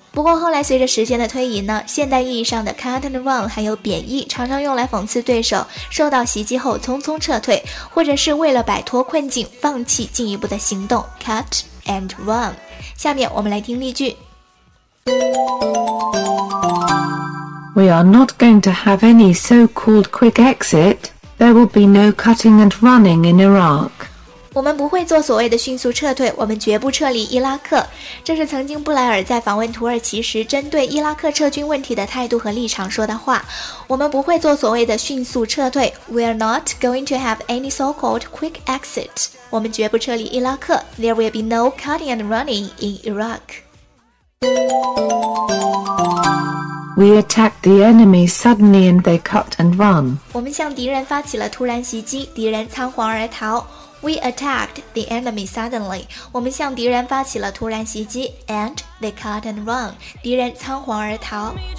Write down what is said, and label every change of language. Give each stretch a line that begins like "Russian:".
Chinese: 不过后来随着时间的推移呢，现代意义上的
English: cut and run
Chinese: 还有贬义，常常用来讽刺对手受到袭击后匆匆撤退，或者是为了摆脱困境放弃进一步的行动，
English: cut and run。
Chinese: 下面我们来听例句。
English: We are not going to have any so-called quick exit. There will be no cutting and running in Iraq.
Chinese: 我们不会做所谓的迅速撤退，我们绝不撤离伊拉克。这是曾经布莱尔在访问土耳其时针对伊拉克撤军问题的态度和立场说的话。我们不会做所谓的迅速撤退。
English: We are not going to have any so-called quick exit.
Chinese: 我们绝不撤离伊拉克。
English: There will be no cutting and running in Iraq. We attacked the enemy suddenly and they cut and run.
Chinese: 我们向敌人发起了突然袭击，敌人仓皇而逃。
English: We attacked the enemy suddenly.
Chinese: 我们向敌人发起了突然袭击
English: and they cut and run.
Chinese: 敌人仓皇而逃。